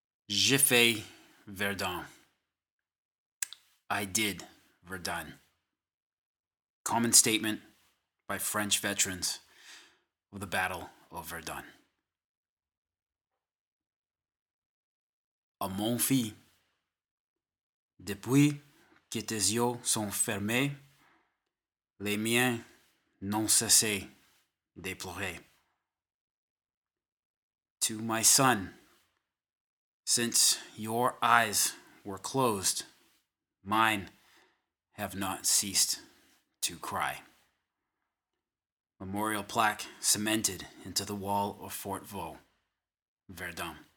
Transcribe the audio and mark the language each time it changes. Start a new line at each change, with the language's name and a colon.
French: J'ai fait Verdun.
English: I did Verdun. Common statement by French veterans of the Battle of Verdun.
French: À mon fils, depuis que tes yeux sont fermés, les miens n'ont cessé de pleurer.
English: To my son, since your eyes were closed, mine have not ceased to cry. Memorial plaque cemented into the wall of Fort Vaux, Verdun.